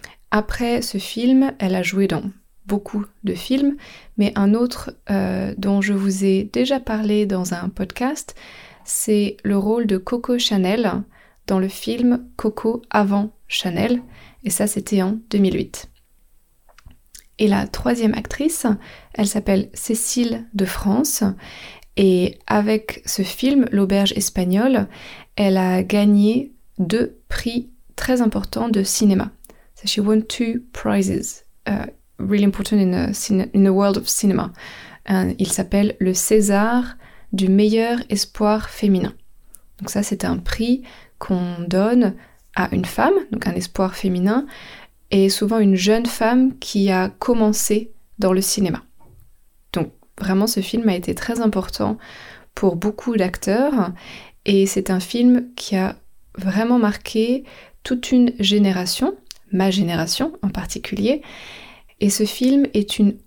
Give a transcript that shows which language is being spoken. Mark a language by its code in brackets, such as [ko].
[fr] Après ce film, elle a joué dans beaucoup de films, mais un autre dont je vous ai déjà parlé dans un podcast, c'est le rôle de Coco Chanel dans le film Coco avant Chanel, et ça c'était en 2008. Et la troisième actrice, elle s'appelle Cécile de France, et avec ce film, L'Auberge espagnole, elle a gagné deux prix très importants de cinéma. [en] So she won two prizes, really important in the world of cinema. [fr] Il s'appelle le César du meilleur espoir féminin. Donc ça, c'est un prix qu'on donne à une femme, donc un espoir féminin, et souvent une jeune femme qui a commencé dans le cinéma. Vraiment, ce film a été très important pour beaucoup d'acteurs et c'est un film qui a vraiment marqué toute une génération, ma génération en particulier. Et ce film est une